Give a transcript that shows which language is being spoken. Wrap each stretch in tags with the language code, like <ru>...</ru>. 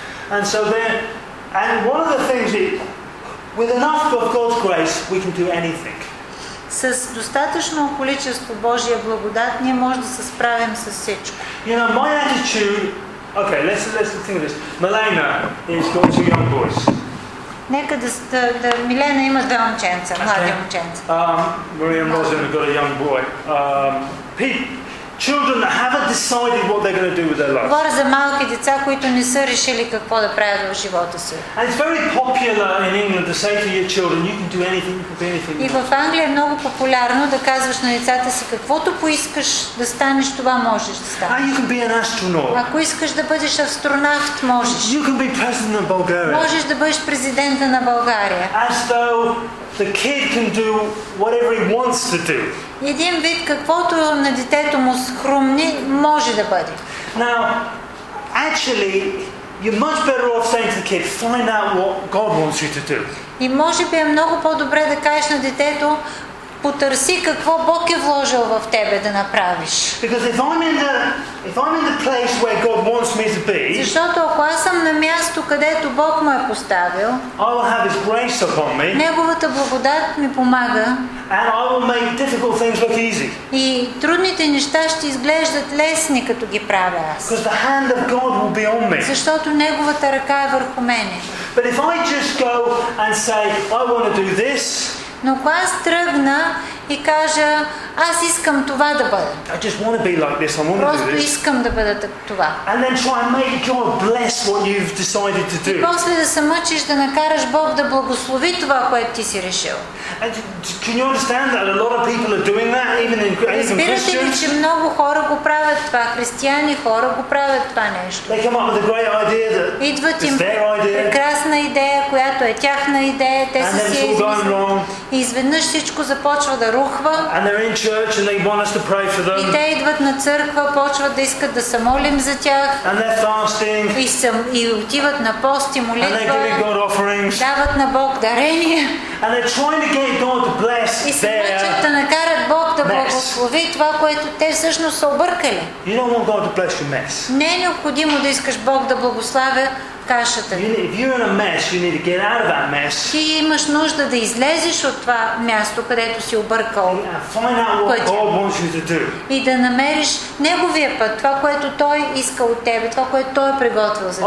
<en>And so then, and one of the things is, with enough of God's grace, we can do anything.</en> <bg>С достатъчно количество Божия благодат ние можем да се справим с всичко.</bg> <en>You know, my attitude. Okay, let's think of this. Milena is going to young boys.</en> <bg>Нека да Милена има две момченца, млади момченца.</bg> <en>Maria and Rosalind have got a young boy. Children that haven't decided what they're going to do with their lives.</en> <bg>Говоря за малки деца, които не са решили какво да правят в живота си.</bg> <en>And it's very popular in England to say to your children, you can do anything, you can be anything.</en> <bg>И в Англия е много популярно да казваш на децата си, каквото поискаш да станеш, това можеш да станеш.</bg> <en>You can be an astronaut.</en> <bg>Ако искаш да бъдеш астронавт, можеш.</bg> <en>You can be president of Bulgaria.</en> <bg>Можеш да бъдеш президента на България.</bg> <en>As though the kid can do whatever he wants to do.</en> <bg>Един вид, каквото на детето му схрумни, може да бъде.</bg> <en>Now, actually, you're much better off saying to the kid, find out what God wants you to do.</en> <bg>И може би е много по-добре да кажеш на детето, потърси какво Бог е вложил в тебе да направиш.</bg> <en>Because if I'm in the place where God wants me to be,</en> <bg>защото ако аз съм на място, където Бог ме е поставил,</bg> <en>I will have His grace upon me.</en> <bg>Неговата благодат ми помага.</bg> <en>And I will make difficult things look easy.</en> <bg>И трудните неща ще изглеждат лесни, като ги правя аз.</bg> <en>Because the hand of God will be on me.</en> <bg>Защото неговата ръка е върху мене.</bg> <en>But if I just go and say, I want to do this.</en> <bg>Но ако аз тръгна и кажа, аз искам това да бъда.</bg> <en>I just want to be like this. I want to</en> <bg>просто</bg> <en>do this.</en> <bg>Просто искам да бъда това.</bg> <en>And then try and make God bless what you've decided to do.</en> <bg>И после да се мъчиш да накараш Бог да благослови това, което ти си решил.</bg> <en>And can you understand that a lot of people are doing that, even in Christians?</en> <bg>Разбирате ли, че много хора го правят това, християни хора го правят това нещо.</bg> <en>They come up with a great idea that</en> <bg>идват им прекрасна идея, която е тяхна идея, те са си я измислили. И изведнъж всичко започва да рухва.</bg> <en>And they're in church and they want us to pray for them.</en> <bg>И те идват на църква, почват да искат да се молим за тях.</bg> <en>And they're fasting.</en> <bg>И отиват на пост и молитва.</bg> <en>And they're giving God offerings.</en> <bg>Дават на Бог дарения.</bg> <en>And they're trying to get God to bless their mess.</en> <bg>И се мъчат да накарат Бог да благослови това, което те всъщност са объркали.</bg> <en>You don't want God to bless your mess.</en> <bg>Не е необходимо да искаш Бог да благославя кашата.</bg> <en>If you're in a mess, you need to get out of that mess.</en> <bg>Ти имаш нужда да излезеш от това място, където си объркал пътя. И да намериш неговия път, това, което той иска от тебе, това, което той е приготвил за теб.</bg>